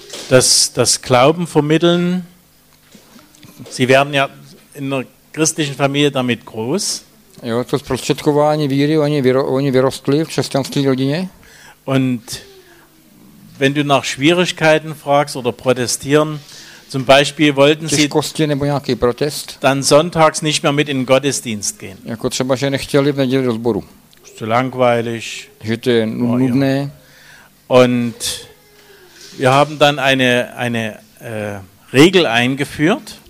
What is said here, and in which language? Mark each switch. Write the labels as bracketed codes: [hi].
[de] Das Glauben vermitteln, sie werden ja in der christlichen Familie damit groß. [cs] Jo, to zprostředkování víry, oni vyrostli v křesťanské rodině. [de] Und wenn du nach Schwierigkeiten fragst oder protestieren, zum Beispiel wollten sie [cs] nebo nějaký protest, [de] dann sonntags nicht mehr mit in den Gottesdienst gehen. [cs] Jako třeba, že nechtěli v neděli do sboru. [de] Ist zu langweilig. [cs] Že to je nudné. [de] Und wir haben dann eine Regel eingeführt.